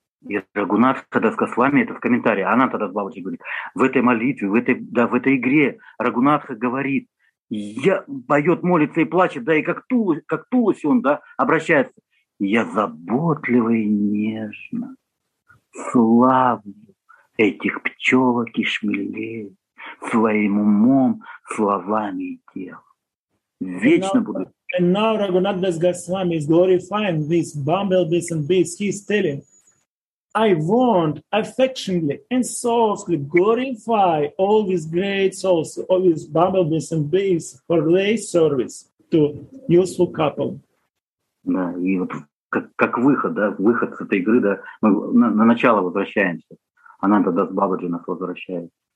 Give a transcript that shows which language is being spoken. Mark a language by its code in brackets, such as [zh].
[ru] И Рагунат Хадаска с вами это в комментарии. Она тогда с бабочкой говорит, в этой молитве, в этой игре Рагунатха говорит, поет, молится и плачет, да, и как тулось он, да, обращается. Я заботливо и нежно славлю этих пчелок и шмелей своим умом, словами и телом. Вечно [en] and [ru] буду. [en] And now Raghunadas Goswami is glorifying these bumblebees and bees. He's telling, I want affectionately and softly glorify all these great souls, all these bumblebees and bees for their service to useful couple. [ru] Да, и вот как выход, да, выход с этой игры, да, мы на начало возвращаемся. Она тогда с Бабаджи нас возвращает.